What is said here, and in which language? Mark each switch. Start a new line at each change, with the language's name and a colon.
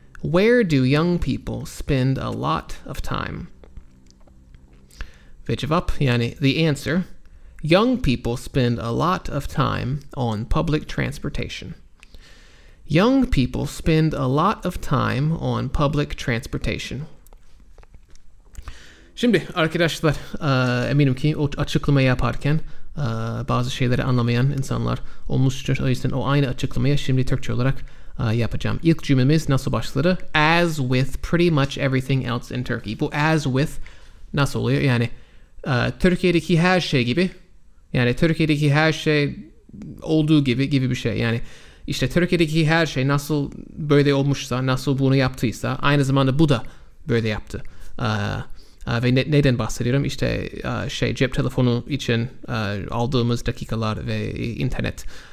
English: Where do young people spend a lot of time?
Turkish: Ve cevap, yani
English: the answer. Young people spend a lot of time on public transportation. Young people spend a lot of time on public transportation.
Turkish: Şimdi arkadaşlar, eminim ki o açıklamayı yaparken bazı şeyleri anlamayan insanlar olmuştur. O yüzden o aynı açıklamayı şimdi Türkçe olarak yapacağım. İlk cümlemiz nasıl başladı?
English: As with pretty much everything else in Turkey.
Turkish: Bu as with nasıl oluyor? Yani Türkiye'deki her şey gibi. Yani Türkiye'deki her şey olduğu gibi gibi bir şey. Yani işte Türkiye'deki her şey nasıl böyle olmuşsa, nasıl bunu yaptıysa, aynı zamanda bu da böyle yaptı. Ve neden bahsediyorum? İşte cep telefonu için aldığımız dakikalar ve internet.